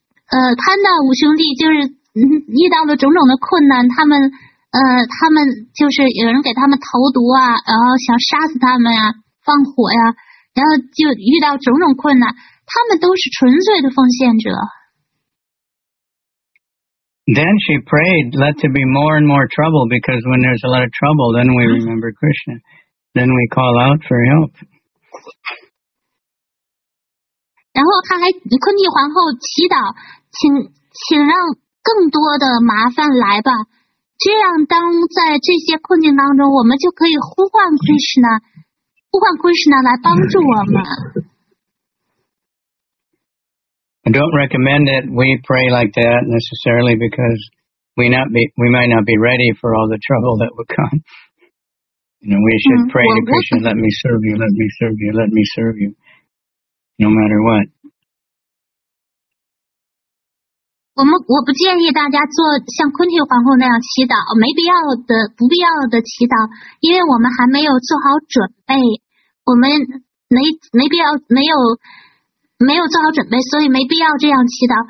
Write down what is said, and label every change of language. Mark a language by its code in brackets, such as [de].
[zh] Panda 五兄弟就是遇到了种种的困难，他们就是有人给他们投毒啊，然后想杀死他们呀、啊，放火呀、啊，然后就遇到种种困难，他们都是纯粹的奉献者。 [en] Then she prayed, let there be more and more trouble, because when there's a lot of trouble, then we remember Krishna. Then we call out for help. [zh] 然后他还昆蒂皇后祈祷，请让更多的麻烦来吧，这样当在这些困境当中，我们就可以呼唤 Krishna， 呼唤 Krishna 来帮助我们。 [en] I don't recommend that we pray like that necessarily because we might not be ready for all the trouble that would come. You know, we should pray to Krishna, let me serve you, let me serve you, let me serve you, no matter what. [zh] 我不建议大家做像昆蒂皇后那样祈祷，没必要的，不必要的祈祷，因为我们还没有做好准备，我们没有做好准备，所以没必要这样祈祷。